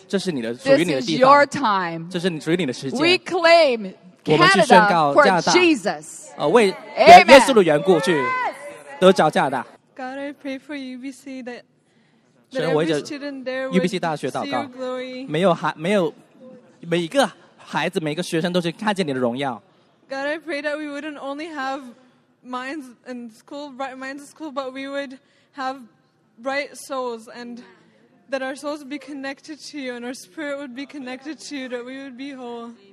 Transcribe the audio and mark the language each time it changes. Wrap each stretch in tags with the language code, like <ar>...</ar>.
<zh>这是你的,</zh> <en>this is your time,</en> <zh>这是你属于你的时间,</zh> <en>we claim Canada,</en> <zh>我们去宣告加拿大,</zh> <en>for Jesus,</en> <zh>为耶稣的缘故, yes! 去得着加拿大,</zh> <en>God, I pray for UBC that every student there would see your glory,</en> <zh>没有 每一个孩子每一个学生都是看见你的荣耀。</zh> <en>God, I pray that we wouldn't only have minds in school, bright minds in school, but we would have bright souls, and that our souls would be connected to you, and our spirit would be connected to you, that we would be whole.</en>